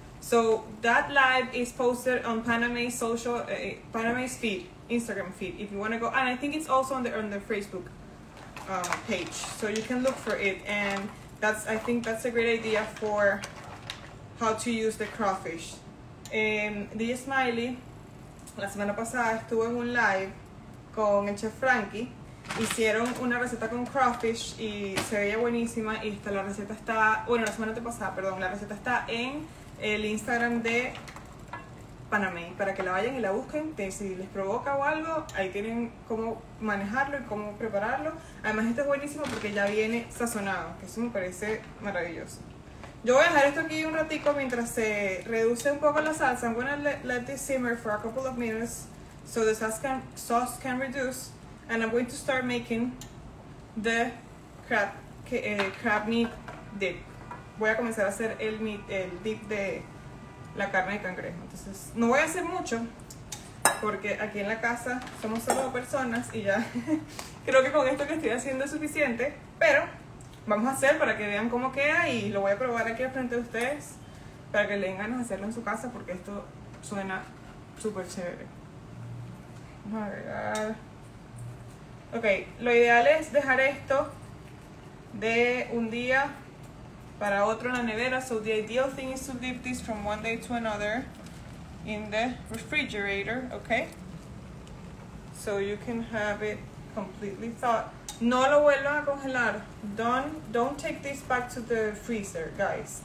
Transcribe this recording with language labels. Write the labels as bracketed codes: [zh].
[en] So that live is posted on Panamá social, Panamá's feed, Instagram feed, if you want to go. And I think it's also on the Facebook page, so you can look for it. And that's, I think that's a great idea for how to use the crawfish. [es] DJ Smiley la semana pasada estuvo en un live con el chef Frankie. Hicieron una receta con crawfish y se veía buenísima. Y hasta la receta está, bueno, la semana pasada, perdón, la receta está en el Instagram de Panamá para que la vayan y la busquen. Si les provoca o algo, ahí tienen cómo manejarlo y cómo prepararlo. Además, este es buenísimo porque ya viene sazonado, que eso me parece maravilloso. Yo voy a dejar esto aquí un ratico mientras se reduce un poco la salsa. [en] I'm going to let this simmer for a couple of minutes so the sauce can reduce. And I'm going to start making the crab meat dip. [es] Voy a comenzar a hacer el dip de la carne de cangrejo. Entonces, no voy a hacer mucho porque aquí en la casa somos solo dos personas y ya creo que con esto que estoy haciendo es suficiente, pero vamos a hacer para que vean cómo queda y lo voy a probar aquí al frente de ustedes para que le den ganas de hacerlo en su casa porque esto suena súper chévere. Vamos a agregar. Ok, lo ideal es dejar esto de un día Para otro en la nevera. [en] So the ideal thing is to leave this from one day to another in the refrigerator, okay? So you can have it completely thawed. [es] No lo vuelvan a congelar. [en] Don't take this back to the freezer, guys.